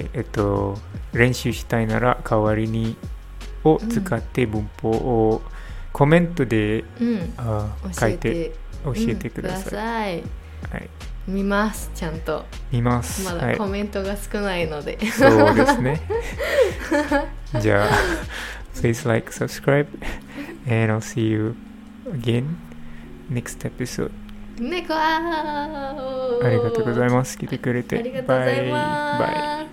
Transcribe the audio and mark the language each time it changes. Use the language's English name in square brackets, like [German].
[Japanese] うん、練習したいなら代わりにを使って文法をコメントで、書いて教えてください。ください。はい。見ます、ちゃんと見ます、まだコメントが少ないので、はい、そうですね。 [English] じゃあ Please like, subscribe and I'll see you again next episode. [Japanese] 猫ありがとうございます、来てくれて。ありがとうございます。バイバイ。